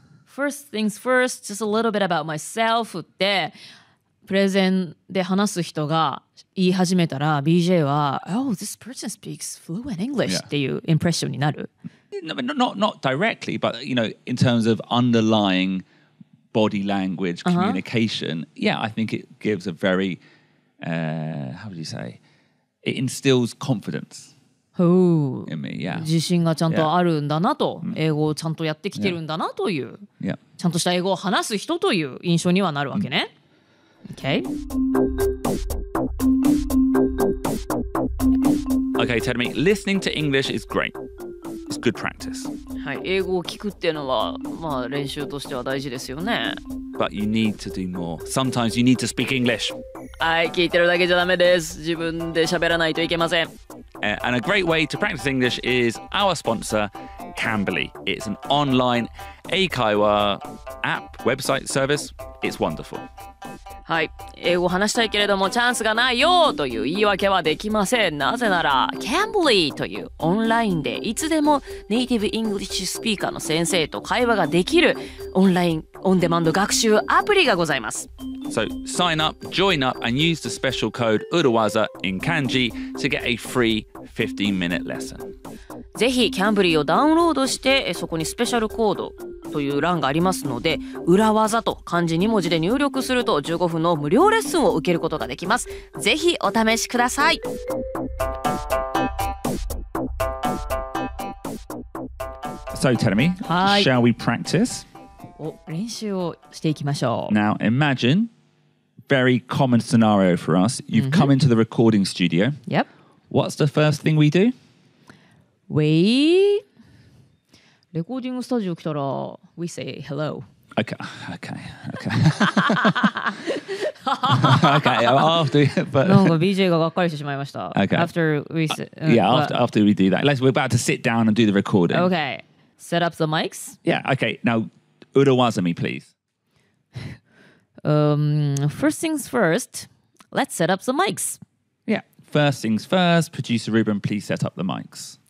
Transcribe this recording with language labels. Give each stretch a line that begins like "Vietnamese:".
Japanese: First things first, just a little bit about myself って、プレゼンで話す人が言い始めたら、BJ は、
English: Oh, this person speaks fluent English、
Japanese: yeah. っていうインプレッションになる。
English: Not directly, but you know, in terms of underlying body language communication,、uh-huh. yeah, I think it gives a very,、how would you say, it instills confidence、 Ooh. in me, yeah.
Japanese: 自信がちゃんとあるんだなと、yeah. 英語をちゃんとやってきてるんだなという、
English: yeah.
Japanese: ちゃんとした英語を話す人という印象にはなるわけね。
English: Mm. Okay. Okay, Terumi, listening to English is great. It's good practice.
Japanese: はい、英語を聞くっていうのは、まあ、練習としては大事ですよね。
English: But you need to do more. Sometimes you need to speak English.
Japanese: はい、聞いてるだけじゃダメです。自分で喋らないといけません。
English: And a great way to practice English is our sponsor, Cambly. It's an online 英会話 app, website service. It's wonderful.
Japanese: はい、英語話したいけれどもチャンスがないよという言い訳はできません。なぜなら、Cambly というオンラインでいつでもネイティブイングリッシュスピーカーの先生と会話ができるオンラインオンデマンド学習アプリがございます。
English: So sign up, join up, and use the special code URAWAZA in Kanji to get a free 15-minute lesson.
Japanese: ぜひ Cambly をダウンロードして、そこにスペシャルコードという欄がありますので、裏技と漢字2文字で入力すると15分の無料レッスンを受けることができます。ぜひお試しください。
English: So Terumi, shall we practice?
Japanese: お、練習をしていきましょう。
English: Now imagine very common scenario for us. You've come into the recording studio. Yep. What's the first thing we do? We...
Japanese: レコーディングスタジオ来たら
English: We say hello Okay.
Japanese: なんか BJ ががっかりしてしまいました
English: Okay. After we say After we do that Let's, We're about to sit down and do the recording Okay. Set up the mics Yeah, okay. Now Urawazami, please First things first Let's set up the mics Yeah, first things first Producer Ruben, please set up the mics